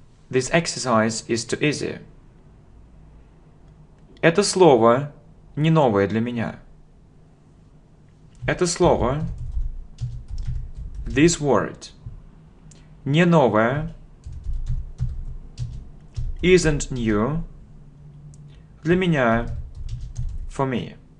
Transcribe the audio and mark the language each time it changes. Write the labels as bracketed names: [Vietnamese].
[English] This exercise is too easy. [Russian] Это слово не новое для меня. Это слово, [English] this word, [Russian] не новое, [English] isn't new, [Russian] для меня, [English] for me.